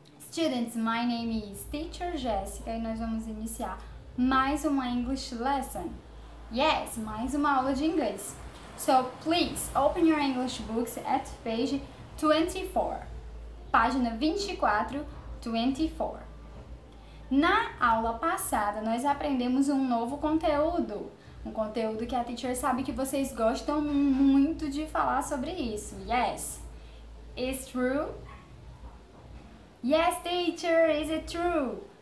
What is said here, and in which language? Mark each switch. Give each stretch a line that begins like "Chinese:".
English: Students, my name is Teacher Jessica
Portuguese: e nós vamos iniciar mais uma
English: English lesson.
Portuguese: Yes, mais uma aula de inglês.
English: So, please, open your English books at page 24.
Portuguese: Página 24, 24. Na aula passada, nós aprendemos um novo conteúdo. Um conteúdo que a teacher sabe que vocês gostam muito de falar sobre isso.
English: Yes. Is true? Yes, teacher, is it true?